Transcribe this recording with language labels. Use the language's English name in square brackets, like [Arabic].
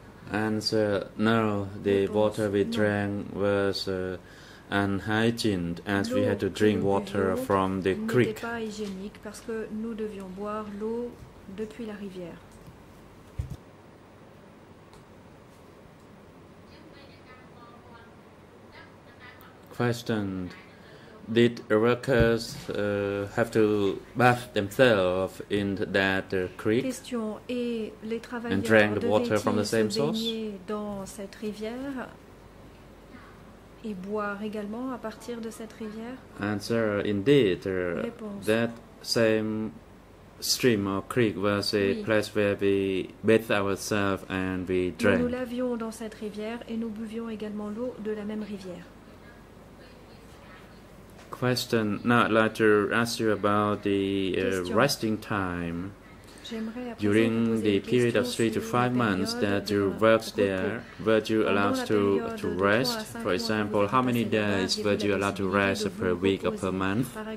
[English] Answer, no, the water we drank was unhygienic, as we had to drink water from the creek. [French] Pas hygiénique parce que nous devions boire l'eau depuis la rivière. [English] Question: did workers have to bath themselves in that creek? [French] Question: et les travailleurs [English] drank the water from the same source? [French] Dans cette rivière et boire également à partir de cette rivière? [English] Answer, indeed, that same stream or creek was a place where we bathed ourselves and we drank. [French] Nous lavions dans cette rivière et nous buvions également l'eau de la même rivière. [English] Question. Now I'd like to ask you about the resting time. During the period of 3 to 5 months that you worked there, were you allowed to rest? For example, how many days were you allowed to rest per week or per month?